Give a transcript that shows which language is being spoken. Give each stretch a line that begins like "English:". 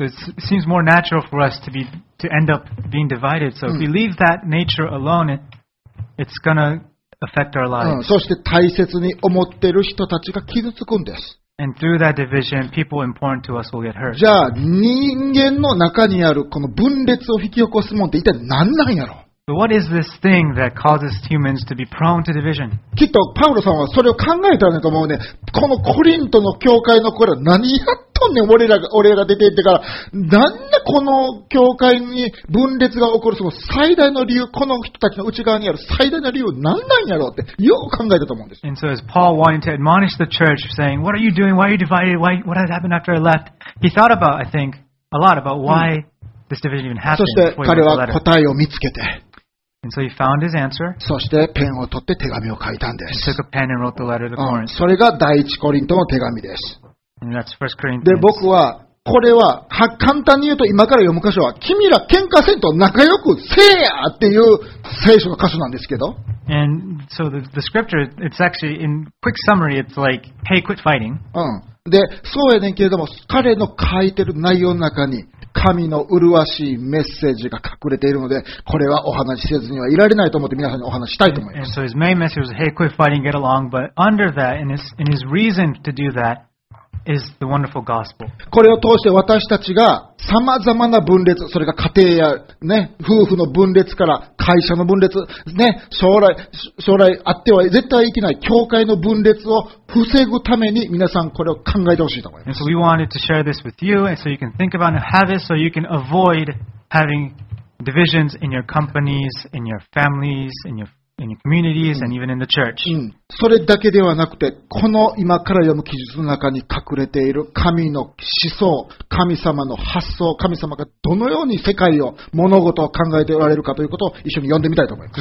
English: So it seems more natural for us to end up being divided. So if we leave that nature alone, it's gonna affect our lives.
Japanese: そして大切に思っている人たちが傷つくんです。
English: And through that division, people important to us will get hurt.
Japanese: じゃあ人間の中にあるこの分裂を引き起こすもんって一体何なんやろ？
English: So what is this thing that causes humans to be prone to division?
Japanese: きっとパウロさんはそれを考えたんだと思うね。このコリントの教会の頃は何やったんねん、俺らが出て行ってから。なんでこの教会に分裂が起こるその最大の理由、この人たちの内側にある最大の理由は何なんやろうってよく考えたと思うんです。
English: And so as Paul wanted to admonish the church, saying, what are you doing? Why are you divided? Why, what has happened after I left? He thought about, I think, a lot about why this division even happened.
Japanese: そして彼は答えを見つけて。
English: And so、he found his answer.
Japanese: そしてペンを取って手紙を書いたんです。
English: Took a pen and wrote the letter to Corinth.
Japanese: それが第一コリントの手紙です。
English: And that's First Corinthians.
Japanese: で、僕は、これは、簡単に言うと今から読む箇所は、君ら喧嘩せんと仲良くせえやっていう聖書の箇所なんですけど。
English: And so the scripture, it's actually, in quick summary, it's like, hey, quit fighting.
Japanese: で、そうやねんけれども、彼の書いてる内容の中に、神の麗しいメッセージが隠れているので、これはお話しせずにはいられないと思って皆さんにお話したいと思います。
English: And so his main message was, hey, quit fighting, get along. But under that, in his reason to do that, is the wonderful gospel.
Japanese: これを通して私たちが様々な分裂、それが家庭や、ね、夫婦の分裂から会社の分裂、ね、将来あっては絶対いけない教会の分裂を防ぐために皆さんこれを考えてほしいと思います。
English: And so we wanted to share this with you so you can think about it and have it so you can avoid having divisions in your companies, in your families, in your in communities and even in the church.
Japanese: それだけではなくて、この今から読む記述の中に隠れている神の思想、神様の発想、神様がどのように世界を物事を考えておられるかということを一緒に読んでみたいと思います。